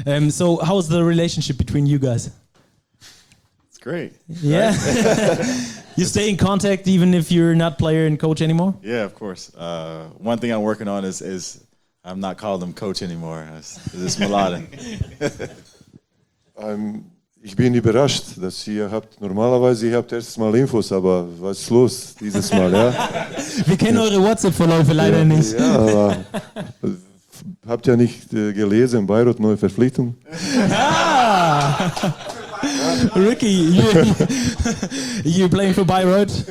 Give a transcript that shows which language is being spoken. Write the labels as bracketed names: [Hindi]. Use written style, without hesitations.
[English] So how's the relationship between you guys? It's great. Yeah. Right? You stay in contact even if you're not player and coach anymore? Yeah, of course. One thing I'm working on is I'm not calling him coach anymore. It's Mladen. [German] Ich bin überrascht, dass ihr habt. Normalerweise ihr habt erstes Mal Infos, aber was ist los dieses Mal, ja? Wir kennen eure WhatsApp-Verläufe leider nicht. Ja, aber habt ihr nicht gelesen, Beirut neue Verpflichtung? Ah! [English] Ricky, you're playing for Beirut?